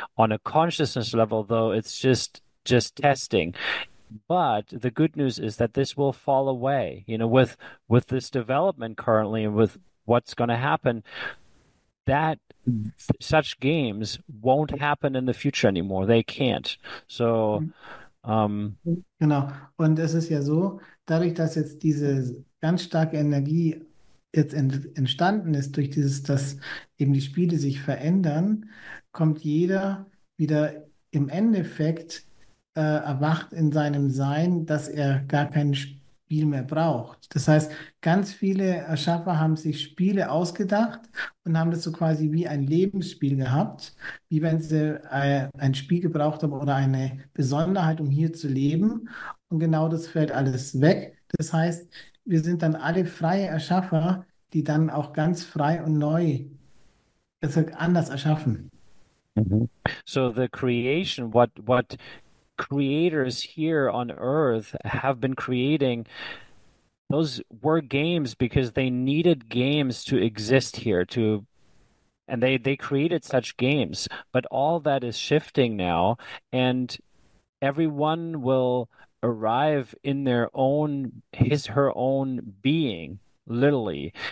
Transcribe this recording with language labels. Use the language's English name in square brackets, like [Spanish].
[English] On a consciousness level, though, it's just testing. But the good news is that this will fall away. With this development currently and with what's going to happen, that such games won't happen in the future anymore. They can't. So, [German] Genau. Und es ist ja so, dadurch, dass jetzt diese ganz starke Energie jetzt entstanden ist, durch dieses, dass eben die Spiele sich verändern, kommt jeder wieder im Endeffekt erwacht in seinem Sein, dass er gar keine Spiel mehr braucht. Das heißt, ganz viele Erschaffer haben sich Spiele ausgedacht und haben das so quasi wie ein Lebensspiel gehabt, wie wenn sie ein Spiel gebraucht haben oder eine Besonderheit, um hier zu leben. Und genau das fällt alles weg. Das heißt, wir sind dann alle freie Erschaffer, die dann auch ganz frei und neu, das heißt, anders erschaffen. [English] So the creation, what creators here on Earth have been creating, those were games because they needed games to exist here to, and they created such games. But all that is shifting now, and everyone will arrive in their own, his, her own being, literally.